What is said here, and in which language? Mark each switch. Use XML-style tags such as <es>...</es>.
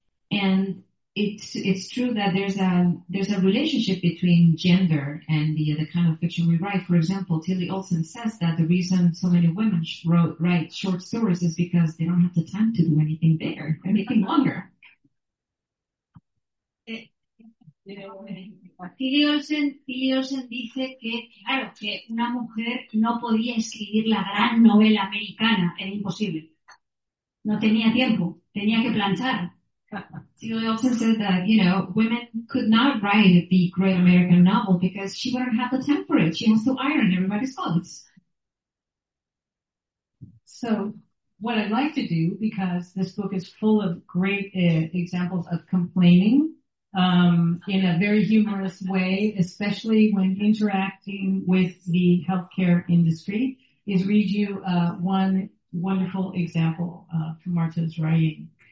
<en>And it's true that there's a relationship between gender and the kind of fiction we write. For example, Tilly Olson says that the reason so many women write short stories is because they don't have the time to do anything bigger, anything longer.</en> <es>Tilly Olson dice que, claro, que una mujer no podía escribir la gran novela americana, era imposible. No tenía tiempo, tenía que planchar.</es> <en>Tilly Olson said that, you know, women could not write the great American novel because she wouldn't have the time for it. She has to iron everybody's clothes. So what I'd like to do, because this book is full of great examples of complaining, in a very humorous way, especially when interacting with the healthcare industry, is read you one wonderful example from Marta's writing.</en>